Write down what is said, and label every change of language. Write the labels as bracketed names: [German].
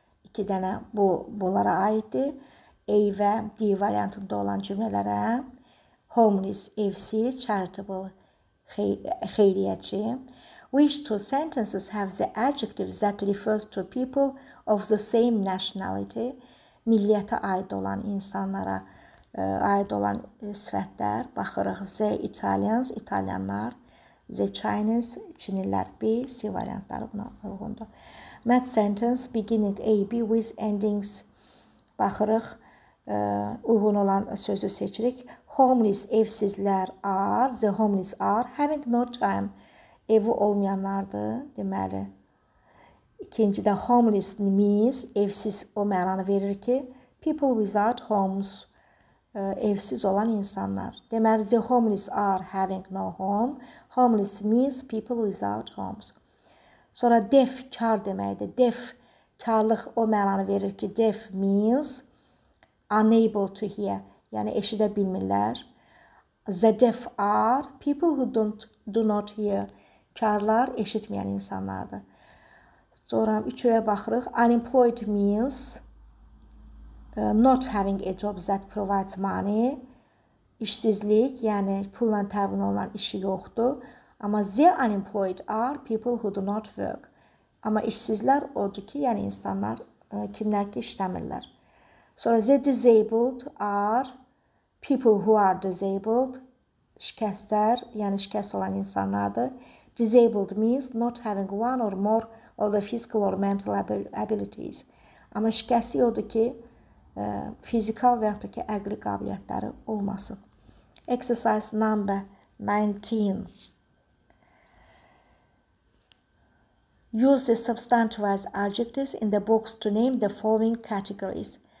[Azerbaijani] İki dənə bunlara aiddir. A və D variantında olan cümlələrə. Homeless, evsiz, charitable, xeyriyyəçi. [English] Which two sentences have the adjective that refers to people of the same nationality? [Azerbaijani] Milliyyətə aid olan insanlara aid olan sifətlər. Baxırıq, the Italians, İtalyanlar, the Chinese, Çinlilər, B, C variantları buna uyğundur. [English] Match sentence beginning A, B with endings. Baxırıq, [Azerbaijani] uygun olan sözü seçirik. Homeless, evsizler are, [English] the homeless are, having no time, [Azerbaijani] evi olmayanlardır deməli. İkinci de homeless means, evsiz o mənanı verir ki, [English] people without homes, [Azerbaijani] evsiz olan insanlar. [English] Deməli, the homeless are having no home, homeless means people without homes. [Azerbaijani] Sonra deaf, kar deməkdir. Deaf, karlıq o mənanı verir ki, [English] deaf means unable to hear, [Azerbaijani] yəni eşidə bilmirlər. [English] The deaf are people who do not hear, [Azerbaijani] karlar eşitməyən insanlardır. Sonra üçüyə baxırıq. [English] Unemployed means not having a job that provides money. [Azerbaijani] İşsizlik, yəni pulla təmin olunan işi yoxdur. [English] Amma the unemployed are people who do not work. [Azerbaijani] Amma işsizlər odur ki, yəni insanlar kimlər ki işləmirlər. [English] Sonra the disabled are people who are disabled. [Azerbaijani] Şikəstlər, yəni şikəst olan insanlardır. [English] Disabled means not having one or more of the physical or mental abilities. [Azerbaijani] Amma şikəsi odur ki, fizikal və yaxud da ki, əqli qabiliyyətləri olmasın. [English] Exercise number 19. Use the substantivized adjectives in the box to name the following categories.